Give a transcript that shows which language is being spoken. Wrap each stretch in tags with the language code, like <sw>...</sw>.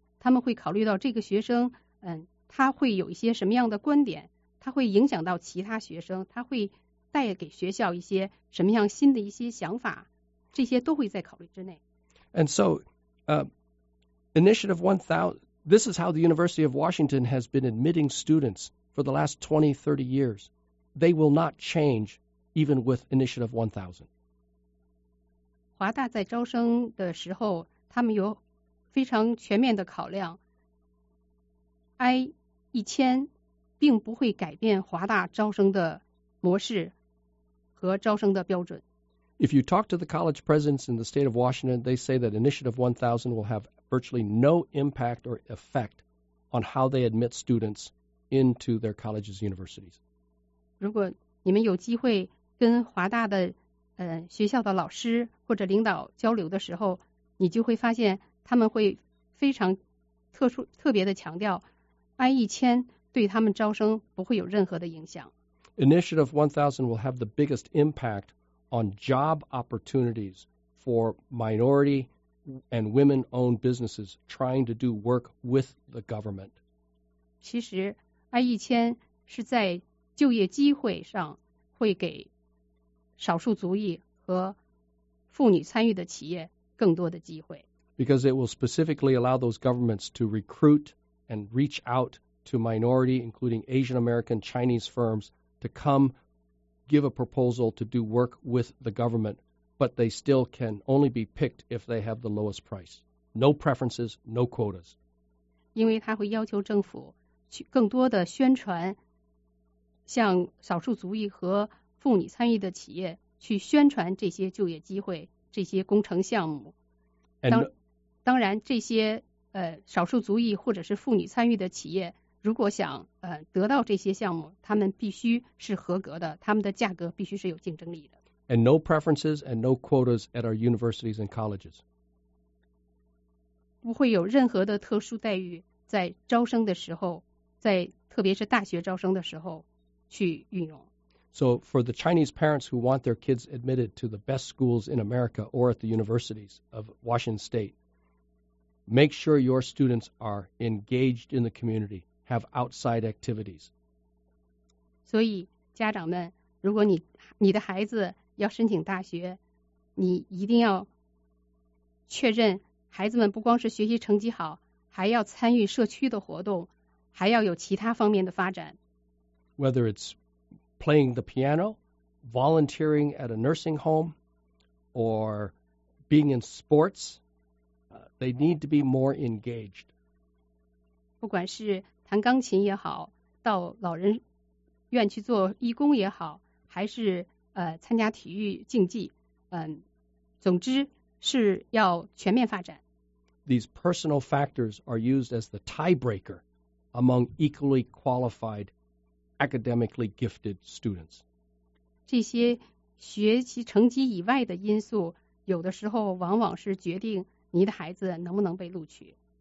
<zh>他们会考虑到这个学生他会有一些什么样的观点，他会影响到其他学生，他会带给学校一些什么样新的一些想法，这些都会在考虑之内。</zh> <en>And so, Initiative 1000, This is how the University of Washington has been admitting students for the last 20, 30 years. They will not change even with Initiative 1000.</en> <zh>华大在招生的时候，他们有非常全面的考量。 I 一千并不会改变华大招生的模式和招生的标准。</zh> <en>If you talk to the college presidents in the state of Washington, they say that Initiative 1000 will have virtually no impact or effect on how they admit students into their colleges, universities.</en> <zh>如果你们有机会跟华大的学校的老师或者领导交流的时候，你就会发现他们会非常特别的强调 I 一千对他们招生不会有任何的影响。</zh> <en>Initiative 1000 will have the biggest impact on job opportunities for minority and women-owned businesses trying to do work with the government.</en> <zh>其实 I 一千是在就业机会上会给少数族裔和妇女参与的企业更多的机会。</zh> <en>Because it will specifically allow those governments to recruit and reach out to minority, including Asian American, Chinese firms, to come give a proposal to do work with the government, but they still can only be picked if they have the lowest price. No preferences, no quotas.</en> <zh>因为他会要求政府去更多的宣传，向少数族裔和妇女参与的企业去宣传这些就业机会，这些工程项目。当然这些少数族裔或者是妇女参与的企业如果想得到这些项目，他们必须是合格的，他们的价格必须是有竞争力的。</zh> <en>And no preferences and no quotas at our universities and colleges.</en> <zh>不会有任何的特殊待遇在招生的时候，在特别是大学招生的时候去运用。</zh> <en>So for the Chinese parents who want their kids admitted to the best schools in America or at the universities of Washington State, make sure your students are engaged in the community, have outside activities.</en> <zh>所以家长们，如果你的孩子要申请大学，你一定要确认孩子们不光是学习成绩好，还要参与社区的活动，还要有其他方面的发展。</zh> <en>Whether it's playing the piano, volunteering at a nursing home, or being in sports, they need to be more engaged.</en> <zh>不管是弹钢琴也好，到老人院去做义工也好，还是参加体育竞技，总之是要全面发展。</zh> <en>These personal factors are used as the tiebreaker among equally qualified academically gifted students.</en> <zh>这些学习成绩以外的因素，有的时候往往是决定你的孩子能不能被录取。</zh>